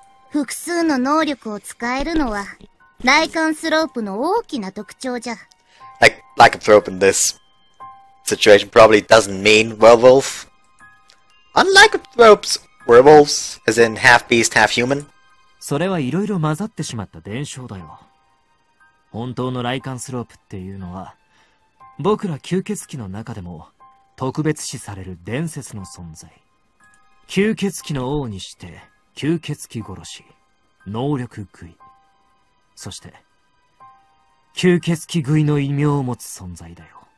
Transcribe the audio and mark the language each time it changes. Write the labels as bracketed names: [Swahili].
[Japanese] 複数の能力を使えるのは、ライカンスロープの大きな特徴じゃ。 [English] Lycanthrope in this situation probably doesn't mean werewolf. Unlycanthropes, werewolves, as in half beast, half human. [Japanese] それはいろいろ混ざってしまった伝承だよ。本当のライカンスロープっていうのは、僕ら吸血鬼の中でも特別視される伝説の存在。吸血鬼の王にして、吸血鬼殺し、能力食い、そして吸血鬼食いの異名を持つ存在だよ。